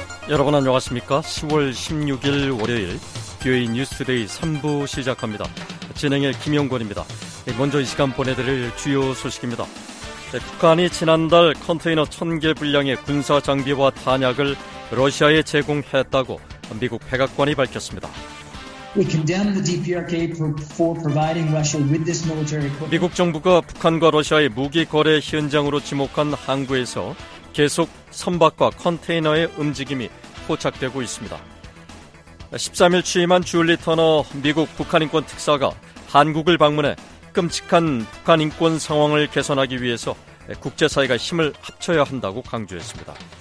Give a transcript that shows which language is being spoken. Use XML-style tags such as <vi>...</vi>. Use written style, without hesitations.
<ko>여러분 안녕하십니까? 10월 16일 월요일 VOA News Today 3부 시작합니다. 진행의 김용권입니다. 먼저 이 시간 보내드릴 주요 소식입니다. 북한이 지난달 컨테이너 1000개 분량의 군사 장비와 탄약을 러시아에 제공했다고 미국 백악관이 밝혔습니다.</ko> <en>We condemn the DPRK for providing Russia with this military equipment.</en> <ko>미국 정부가 북한과 러시아의 무기 거래 현장으로 지목한 항구에서 계속 선박과 컨테이너의 움직임이 포착되고 있습니다. 13일 취임한 줄리 터너 미국 북한인권특사가 한국을 방문해 끔찍한 북한인권 상황을 개선하기 위해서 국제사회가 힘을 합쳐야 한다고 강조했습니다.</ko>